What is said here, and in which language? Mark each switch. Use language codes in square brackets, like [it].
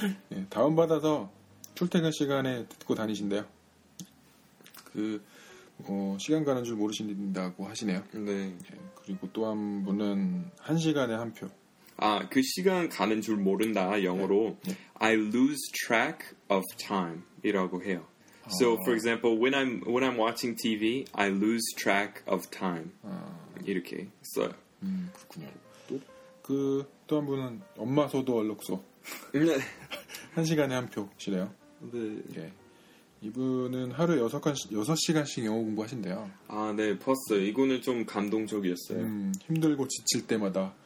[ko] 네, 다운받아서 출퇴근 시간에 듣고 다니신대요. 시간 가는 줄 모르신다고 하시네요. 네. 그리고 또 한 분은 한 시간에 한 표. 아, 그 시간 가는 줄 모른다 영어로 네. [en] I lose track of time [ko] 이라고 해요. [en] So, for example, when I'm watching TV, I lose track of time. [ko] 이렇게 써요. 그렇군요. 또 한 분은 엄마 소도 얼룩소. 한 시간에 한 표시래요. 네. 예. 이분은 하루 6시간씩 영어 공부하신대요. 아, 네. 봤어요. 이거는 좀 감동적이었어요. 힘들고 지칠 때마다